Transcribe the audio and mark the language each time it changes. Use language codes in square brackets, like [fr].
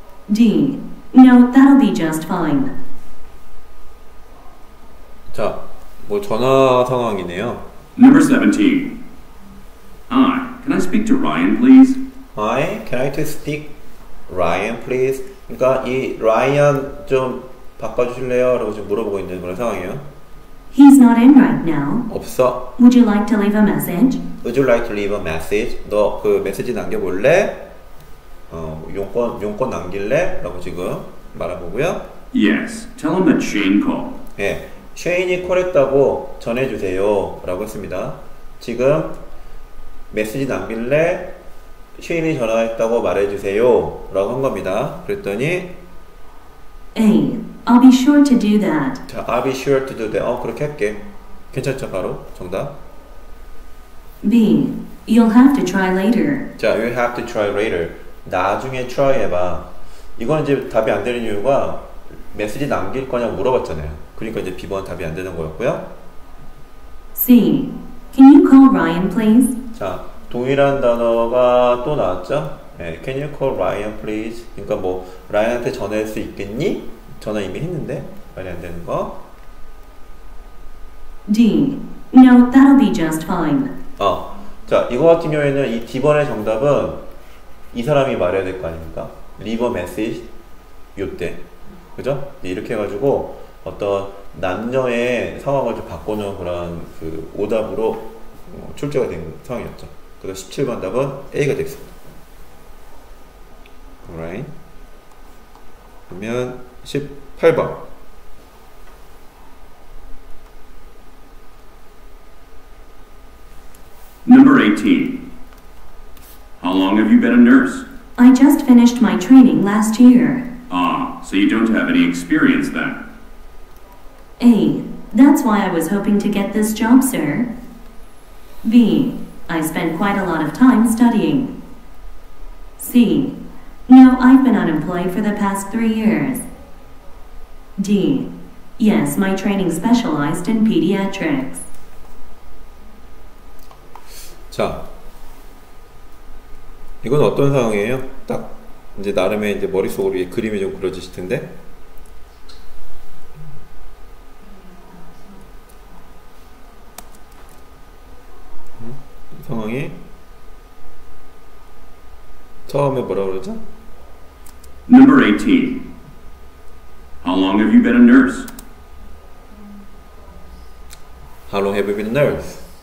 [en] D. No, that'll be just fine. [ko] 자, 뭐 전화 상황이네요. [en] Number 17. Hi, can I speak to Ryan, please? Hi, can I just speak Ryan, please? [ko] 그러니까 이 Ryan 좀 바꿔주실래요? 라고 지금 물어보고 있는 그런 상황이에요. [en] He's not in right now. [ko] 없어. [en] Would you like to leave a message? Would you like to leave a message? [ko] 너 그 메시지 남겨볼래? 용건 남길래? 라고 지금 말하고요. [en] Yes. Tell him that Shane called. [ko] 예. 쉐인이 콜했다고 전해주세요. 라고 했습니다. 지금 메시지 남길래? 쉐인이 전화했다고 말해주세요. 라고 한 겁니다. 그랬더니 [en] A. I'll be sure to do that. [ko] 자, [en] I'll be sure to do that. [ko] 그렇게 할게. 괜찮죠? 바로 정답. [en] B. You'll have to try later. 자, you'll have to try later. [ko] 나중에 try 해봐. 이건 이제 답이 안 되는 이유가 메시지 남길 거냐 물어봤잖아요. 그러니까 이제 B번 답이 안 되는 거였고요. C. Can you call Ryan, please? 자, 동일한 단어가 또 나왔죠? [en] 네, can you call Ryan, please? [ko] 그러니까 뭐 Ryan한테 전할 수 있겠니? 전화 이미 했는데 말이 안 되는 거. D. No, that'll be just fine. 자, 이거 같은 경우에는 이 D번의 정답은 이 사람이 말해야 될 거 아닙니까? [en] Leave a message 요때. [ko] 그죠? 이렇게 해가지고 어떤 남녀의 상황을 좀 바꾸는 그런 그 오답으로 출제가 된 상황이었죠. 그래서 17번 답은 A가 되겠습니다. Alright. 그러면 18번. [en] Number 18. How long have you been a nurse? I just finished my training last year. Ah, so you don't have any experience then. A. That's why I was hoping to get this job, sir. B. I spent quite a lot of time studying. C. No, I've been unemployed for the past 3 years. D. Yes, my training specialized in pediatrics. [ko] 자, 이건 어떤 상황이에요? 딱 이제 나름의 이제 머릿속으로 이 그림이 좀 그려지실 텐데. 상황이 처음에 뭐라 그러죠? [en] Number 18. How long have you been a nurse? How long have you been a nurse?